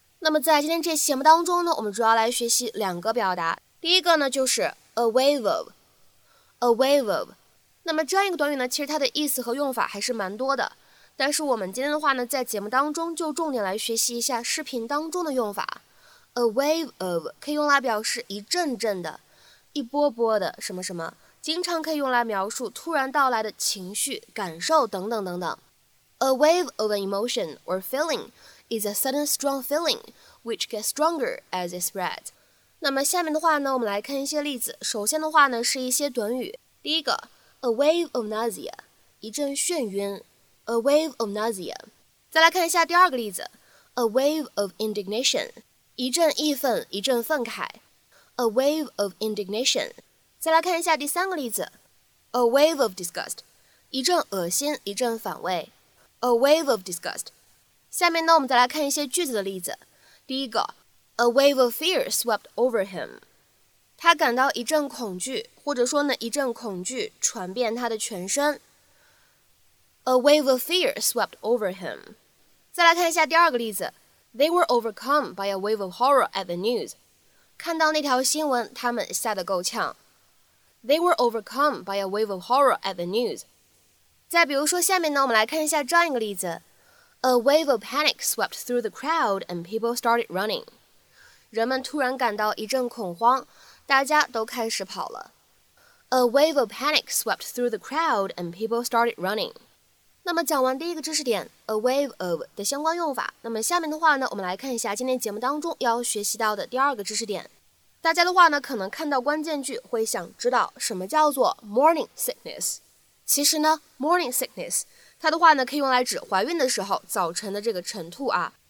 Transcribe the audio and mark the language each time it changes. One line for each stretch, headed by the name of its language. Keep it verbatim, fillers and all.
Chinese: 那么在今天这期节目当中呢，我们主要来学习两个表达。第一个呢就是 a wave of, a wave of。那么这样一个短语呢，其实它的意思和用法还是蛮多的。但是我们今天的话呢，在节目当中就重点来学习一下视频当中的用法。 A wave of 可以用来表示一阵阵的、一波波的什么什么，经常可以用来描述突然到来的情绪、感受等等等等。
English: A wave of an emotion or feeling is a sudden strong feeling which gets stronger as it spreads.
Chinese: 那么下面的话呢，我们来看一些例子。首先的话呢，是一些短语。第一个 ，a wave of nausea， 一阵眩晕 ，a wave of nausea。再来看一下第二个例子 ，a wave of indignation， 一阵义愤，一阵愤慨 ，a wave of indignation。再来看一下第三个例子 ，a wave of disgust， 一阵恶心，一阵反胃 ，a wave of disgust。下面呢，我们再来看一些句子的例子。第一个。
English: A wave of fear swept over him.
Chinese: 他感到一阵恐惧，或者说呢，一阵恐惧传遍他的全身。
English: A wave of fear swept over him.
Chinese: 再来看一下第二个例子。
English: They were overcome by a wave of horror at the news.
Chinese: 看到那条新闻，他们吓得够呛。
English: They were overcome by a wave of horror at the news.
Chinese: 再比如说下面呢，我们来看一下这样一个例子。
English: A wave of panic swept through the crowd and people started running.
Chinese: 人们突然感到一阵恐慌，大家都开始跑了。
English: A wave of panic swept through the crowd and people started running.
Chinese: 那么讲完第一个知识点 a wave of 的相关用法，那么下面的话呢，我们来看一下今天节目当中要学习到的第二个知识点。大家的话呢，可能看到关键句会想知道什么叫做 morning sickness。其实呢 morning sickness 它的话呢，可以用来指怀孕的时候早晨的这个晨吐啊。